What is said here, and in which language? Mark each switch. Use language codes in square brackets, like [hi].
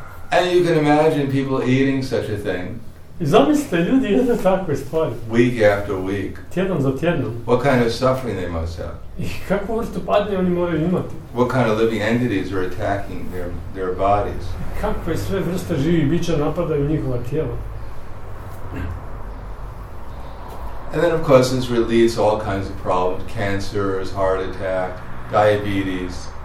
[en] And you can imagine people eating such a thing. [hr] Zamislite, ljudi jedu takve stvari. [en] Week after week. [hr] Tjedan za tjednom. [en] What kind of suffering they must have? [hr] I kakvu vrstu patnje oni moraju imati? [en] What kind of living entities are attacking their bodies? [hr] Kakve sve vrste živih bića napadaju njihova tijela? [en] And then of course this releases all kinds of problems, cancers, heart attack, diabetes.